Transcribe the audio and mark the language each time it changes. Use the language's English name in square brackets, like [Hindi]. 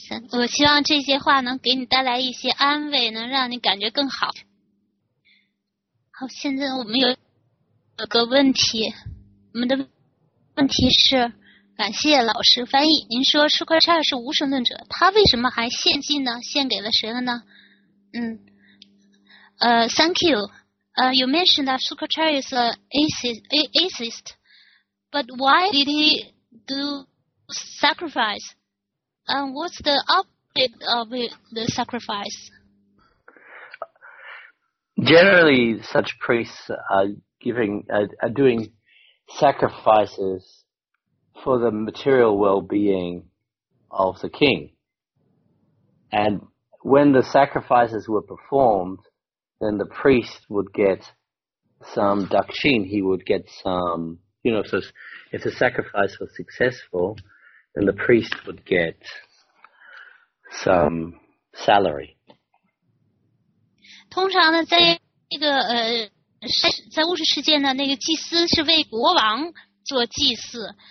[Chinese] 我希望这些话能给你带来一些安慰，能让你感觉更好。好，现在我们有个问题，我们的问题是：感谢老师翻译，您说舒克沙是无神论者，他为什么还献祭呢？献给了谁了呢？ [English] Thank you. You mentioned that Sukhachar is an atheist, but why did he do sacrifice? What's the object of the sacrifice? Generally, such priests are doing sacrifices for the material well-being of the king. And when the sacrifices were performed, then the priest would get some dakshin. He would get some, you know, so if the sacrifice was successful, then the priest would get... some salary. [Chinese] 通常呢，在那个在物质世界呢，那个祭司是为国王做祭祀。